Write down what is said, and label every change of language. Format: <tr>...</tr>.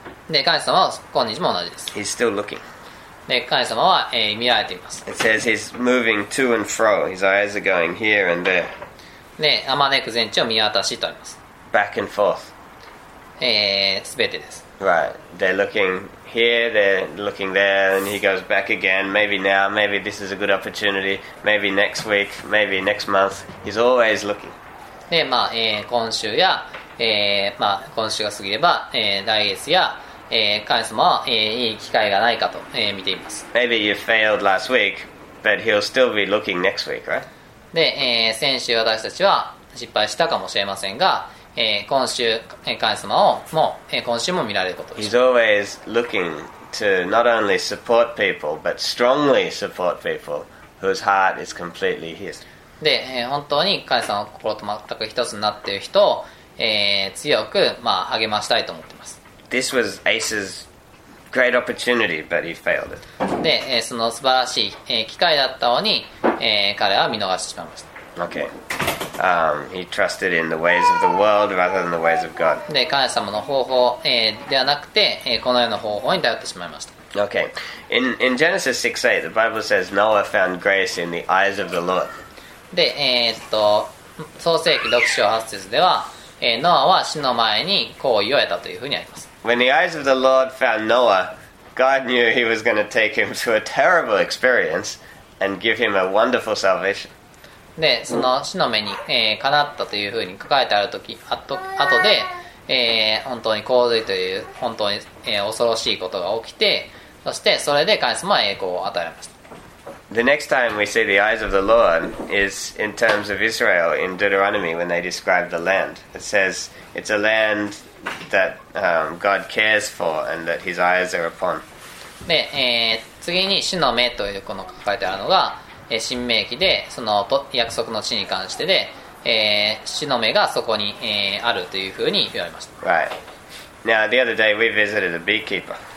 <ja>で神様は今日も同じです。</ja> <en>He's still looking.</en> <ja>で神様は、見られています。</ja> <en>It says he's moving to and fro. His eyes are going here and there.</en> <ja>で、あまねく全地を見渡しとあります。</ja> <en>Back and forth.</en> <ja>すべてです。</ja> <en>Right. They're looking here, they're looking there, and he goes back again. Maybe now, maybe this is a good opportunity. Maybe next week, maybe next month. He's always looking.</en> <ja>で、まあ、今週や、まあ、今週が過ぎれば、来月や、神様は、いい機会がないかと、見ています。</ja> <en>Maybe you failed last week, but he'll still be looking next week, right?</en> <ja>で、先週私たちは失敗したかもしれませんが、今週神様をもう今週も見られることです。</ja> <en>He's always looking to not only support people, but strongly support people whose heart is completely his.</en> <ja>で、本当に神様の心と全く一つになっている人を、強く、まあ、励ましたいと思っています。</ja> <en>This was Asa's great opportunity, but he failed it.</en> <ja>で、その素晴らしい機会だったのに、彼は見逃してしまいました。</ja> <en>Okay. He trusted in the ways of the world rather than the ways of God.</en> <ja>で、神様の方法、ではなくて、この世の方法に頼ってしまいました。</ja> <en>Okay. In Genesis 6:8, the Bible says Noah found grace in the eyes of the Lord.</en> <ja>で、創世記6章8節では、ノアは死の前に好意を得たというふうにあります。</ja> <en>When the eyes of the Lord found Noah, God knew he was going to take him through a terrible experience and give him a wonderful salvation.</en> <ja>で、その死の目に、かなったというふうに書かれてあるとき、あとで、本当に洪水という本当に、恐ろしいことが起きて、そしてそれで神様は栄光を与えました。</ja> <en>The next time we see the eyes of the Lord is in terms of Israel in Deuteronomy when they describe the land. It says it's a land that God cares for and that his eyes are upon.</en> <ja>で、次に主の目というこの書かれてあるのが、新明記でその約束の地に関してで、主の目がそこに、あるというふうに言われました。</ja> <en>Right. Now the other day we visited a beekeeper.</en>